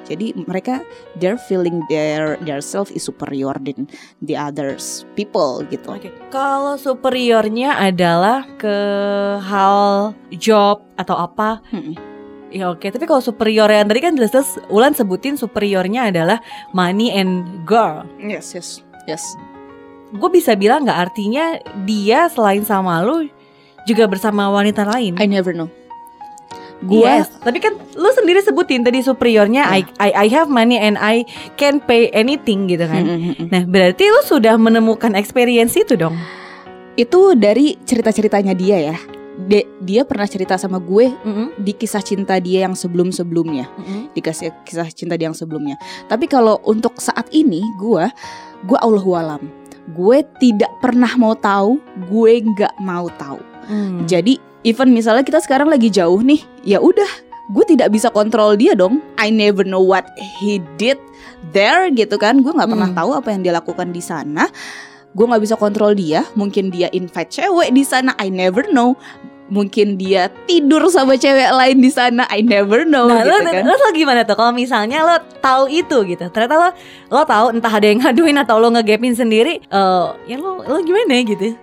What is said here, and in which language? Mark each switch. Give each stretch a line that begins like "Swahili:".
Indonesian: Jadi mereka,
English: they're feeling their self is superior than the others people gitu. Okay.
Indonesian: Kalau superiornya adalah ke hal job atau apa, ya okay. Tapi kalau superior yang tadi kan jelas-jelas Ulan sebutin superiornya adalah
English: money and girl. Yes.
Indonesian: Gue bisa bilang gak artinya dia selain sama lu juga bersama wanita lain?
English: I never know.
Indonesian: Yes. Tapi kan lu sendiri sebutin tadi superiornya, yeah.
English: I have money and I can pay anything gitu kan.
Indonesian: Nah berarti lu sudah menemukan experience itu dong? Itu dari cerita-ceritanya dia ya. Dia pernah cerita sama gue di kisah cinta dia yang sebelum-sebelumnya. Dikasih kisah cinta dia yang sebelumnya. Tapi kalau untuk saat ini gue Allahualam, gue tidak pernah mau tahu, gue gak mau tahu. Jadi even misalnya kita sekarang lagi jauh nih, ya udah, gue tidak bisa kontrol dia dong.
English: I never know what he did there gitu kan.
Indonesian: Gue gak pernah tahu apa yang dia lakukan di sana. Gue gak bisa kontrol dia, mungkin dia invite cewek di sana,
English: I never know.
Indonesian: Mungkin dia tidur sama cewek lain di sana,
English: I never know.
Indonesian: Nah, gitu lo gimana tuh kalau misalnya lo tahu itu gitu. Ternyata lo tahu entah ada yang ngaduin atau lo ngegapin sendiri, lo gimana gitu?